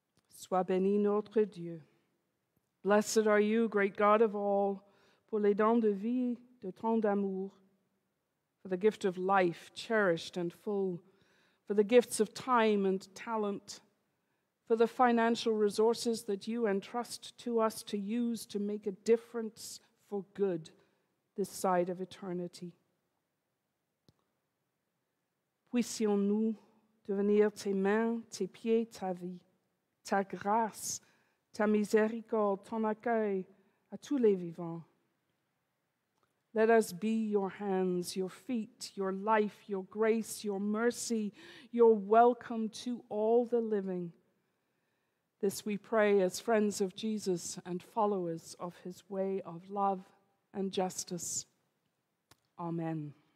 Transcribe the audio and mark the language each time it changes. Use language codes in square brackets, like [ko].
[fr] Sois béni notre Dieu. [en] Blessed are you, great God of all, [fr] pour les dons de vie, de tant d'amour, [en] for the gift of life cherished and full, for the gifts of time and talent, for the financial resources that you entrust to us to use to make a difference for good this side of eternity. [fr] Puissions-nous devenir tes mains, tes pieds, ta vie, ta grâce, ta miséricorde, ton accueil à tous les vivants. [en] Let us be your hands, your feet, your life, your grace, your mercy, your welcome to all the living. This we pray as friends of Jesus and followers of his way of love and justice. Amen.